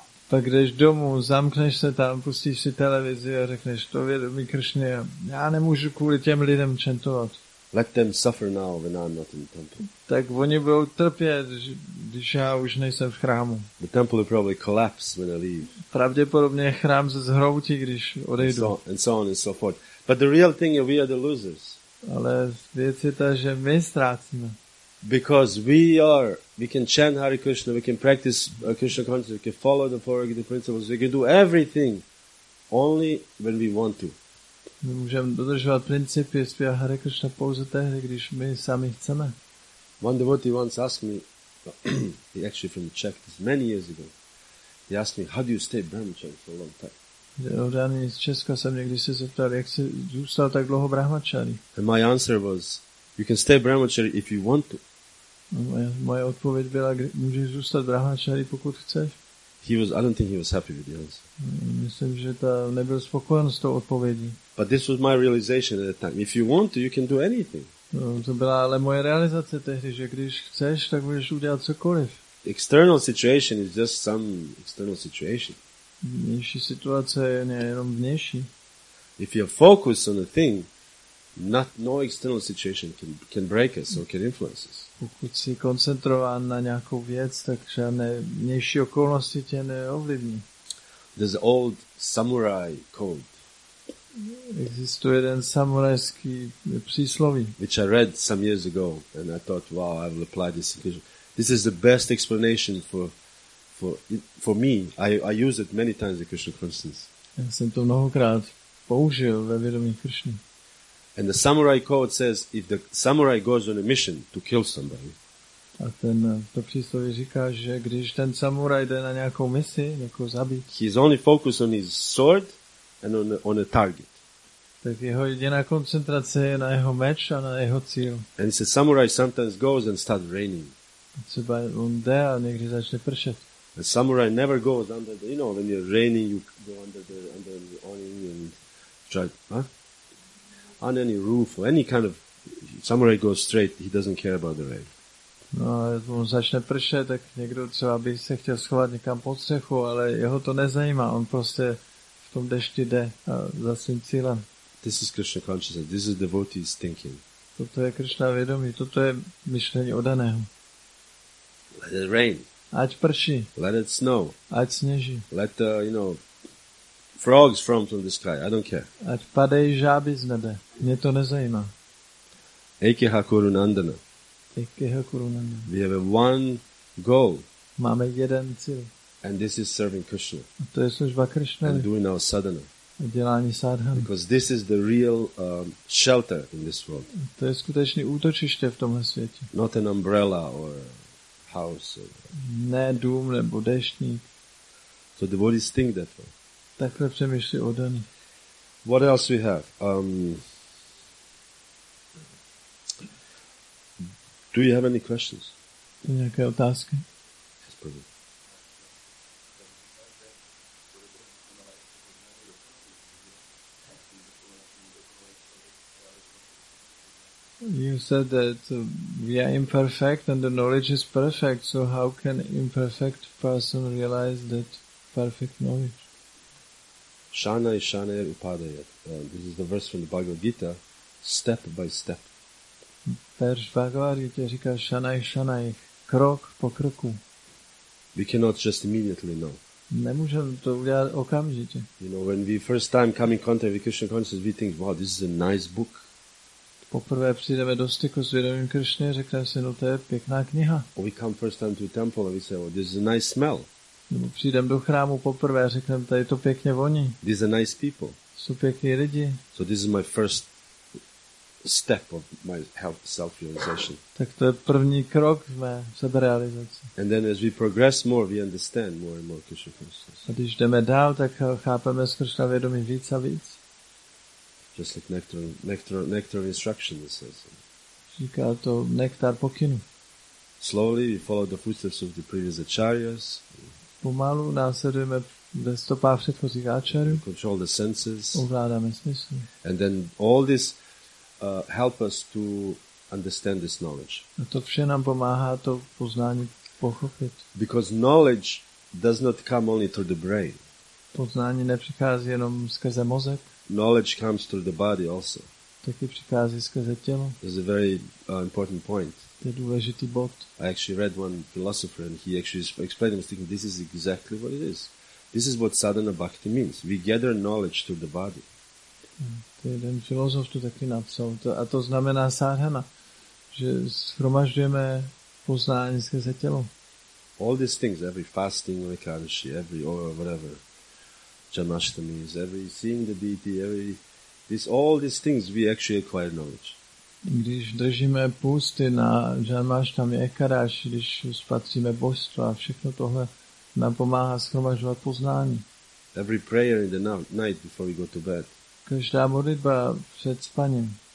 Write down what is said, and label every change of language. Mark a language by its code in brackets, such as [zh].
[cs] Tak když domů zamkneš se tam, pustíš si televizi a řekneš, to vědomí Krišně, já nemůžu kvůli těm lidem chantovat. [en] Let them suffer now when I'm not in the temple. [cs] Tak oni budou trpět, když já už nejsem v chrámu. [en] The temple will probably collapse when I leave. [cs] Pravděpodobně chrám se zhroutí, když odejdu. [en] And so on and so forth. But the real thing is we are the losers. [cs] Ale věc je ta, že my ztrácíme. [en] Because we can chant Hare Krishna, we can practice Krishna consciousness, we can follow the four Gita principles, we can do everything only when we want to. [cs] My můžeme dodržovat principy zpěvat Hare Krishna pouze tehdy, když my sami chceme. [en] One devotee once asked me, he actually from the Czech, this many years ago, he asked me, how do you stay brahmacharya for a long time? [cs] Dodaný z Česka jsem někdy se zeptal, jak jsi zůstal tak dlouho brahmacharya? [en] And my answer was, you can stay brahmachari if you want to. [cs] Moje odpověď byla, můžeš zůstat brahmachari, pokud chceš. [en] I don't think he was happy with the answer. [cs] Myslím, že ta nebyl spokojen s tou odpovědí. [en] But this was my realization at that time. If you want to, you can do anything. [cs] To byla ale moje realizace tehdy, že když chceš, tak můžeš udělat cokoliv. [en] External situation is just some external situation. [cs] Vnější situace je nejenom vnější. [en] If you're focused on a thing, no external situation can break us or can influence us. [cs] Pokud jsi koncentrován na nějakou věc, tak žádné vnější okolnosti tě neovlivní. [en] There's an old samurai code. [cs] Existuje jeden samurajský přísloví. [en] Which I read some years ago and I thought, wow, I will apply this. This is the best explanation for me. I use it many times in Krishna consciousness. [cs] Já jsem to mnohokrát použil ve vědomí Krishna. [en] And the samurai code says if the samurai goes on a mission to kill somebody. [cs] A ten to přísloví říká, že když ten samuraj jde na nějakou misi, někoho zabít. [en] He is only focused on his sword and on a target. [cs] Tak jeho jediná koncentrace je na jeho meč a na jeho cíl. [en] And the samurai sometimes goes and starts raining. [cs] Třeba on jde a někdy začne pršet. [en] The samurai never goes under the, you know, when you're raining you go under the awning and try, on any roof or any kind of, samurai goes straight, he doesn't care about the rain. [cs] No a on začne pršet, tak někdo třeba by se chtěl schovat někam pod střechu, ale jeho to nezajímá, on prostě v tom dešti jde za svým cílem. [en] This is Krishna consciousness. This is devotee's thinking. [cs] Toto je Krishna vědomí, toto je myšlení odaného. [en] Let it rain. [cs] Ať prší. [en] Let it snow. [cs] Ať sněží. [en] Let the, you know, frogs from the sky. I don't care. [cs] Ať padají žáby z nebe. Mě to nezajímá. [sa] Ekeha kuru nandana. Ekeha kuru nandana. [en] We have one goal. [cs] Máme jeden cíl. [en] And this is serving Krishna. [cs] A to je služba Krishna. [en] And doing our sadhana. [cs] A dělání sadhana. [en] Because this is the real shelter in this world. [cs] A to je skutečný útočiště v tomhle světě. [en] Not an umbrella or house. Or... [cs] Ne dům nebo deštník. [en] So the devotees think that way. [cs] Takhle přemýšlí o daní. [en] What else we have? Do you have any questions? [cs] Nějaké otázky? [en] Yes, probably. You said that we are imperfect and the knowledge is perfect. So how can imperfect person realize that perfect knowledge? [sa] Shana ishana upadayat. [en] This is the verse from the Bhagavad Gita, step by step. [cs] Verš Bhagavad Gita říká [sa] shana ishana, [cs] krok po kroku. [en] We cannot just immediately know. [cs] Nemůžeme to udělat okamžitě. [en] You know, when we first time come in contact with Krishna consciousness, we think, wow, this is a nice book. [cs] Poprvé přijdeme do styku s vědomím Krishny, řekneme si, no to je pěkná kniha. [en] Or we come first time to a temple and we say, oh, this is a nice smell. [cs] Nebo přijdem do chrámu poprvé a řeknem, tady to pěkně voní. [en] These are nice people. [cs] Jsou pěkní lidi. [en] So this is my first step of my health self-realization. [cs] Tak to je první krok v mé seberealizaci. [en] And then as we progress more, we understand more and more Krishna consciousness. [cs] A když jdeme dál, tak chápeme z Krishna vědomí víc a víc. [en] Just like nectar instruction, it says. [cs] Říká to nektar pokynu. [en] Slowly we follow the footsteps of the previous acharyas. [cs] Pomalu následujeme ve stopách předchozích áčarů. [en] Control the senses. [cs] Ovládáme smysly. [en] And then all this help us to understand this knowledge. [cs] A to vše nám pomáhá to poznání pochopit. [en] Because knowledge does not come only through the brain. [cs] Poznání nepřichází jenom skrze mozek. [en] Knowledge comes through the body also. [cs] Taky přichází skrze tělo. [en] It's a very important point. [cs] To je důležitý bod. [en] I actually read one philosopher and he actually explained, I was thinking, this is exactly what it is. This is what sadhana bhakti means. We gather knowledge through the body. [cs] To jeden filozof to taky napsal. A to znamená sadhana, že shromažďujeme poznání skrze tělo. [en] All these things, every fasting, vikarshi, every or whatever, janashtami, every seeing the deity, every this, all these things, we actually acquire knowledge. [cs] Když držíme půsty na Janmashtami, Ekadaš, když spatříme božstva, všechno tohle nám pomáhá shromažovat poznání. [en] Every prayer in the night before we go to bed. [cs] Každá modlitba před spaním.